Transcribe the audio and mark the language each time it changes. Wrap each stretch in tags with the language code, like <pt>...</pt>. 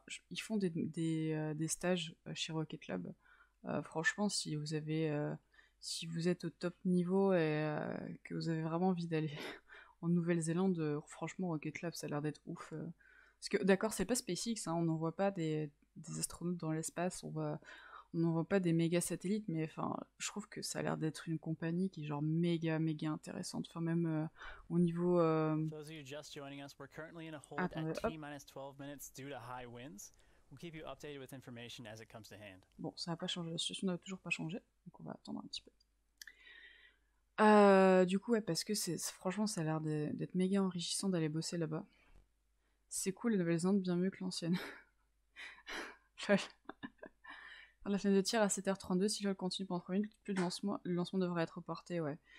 <fr>Ils font des stages chez Rocket Lab. Franchement, si vous êtes au top niveau et que vous avez vraiment envie d'aller. En Nouvelle-Zélande, franchement, Rocket Lab, ça a l'air d'être ouf. Parce que, d'accord, c'est pas SpaceX, hein, on n'en voit pas des astronautes dans l'espace, on n'en voit pas des méga satellites, mais enfin, je trouve que ça a l'air d'être une compagnie qui est genre méga, méga intéressante. Enfin, même au niveau.</fr> <en>Those of you just joining us, we're currently in a hold at T-minus 12 minutes due to high winds. We'll keep you updated with information as it comes to hand.</en> <fr>Bon, ça n'a pas changé, la situation n'a toujours pas changé, donc on va attendre un petit peu. Du coup, ouais, parce que franchement, ça a l'air d'être méga enrichissant d'aller bosser là-bas. C'est cool, la Nouvelle-Zélande, bien mieux que l'ancienne. La fin de tir à 7h32, si je continue pendant 3 minutes, plus de lancement, le lancement devrait être reporté, ouais.</fr>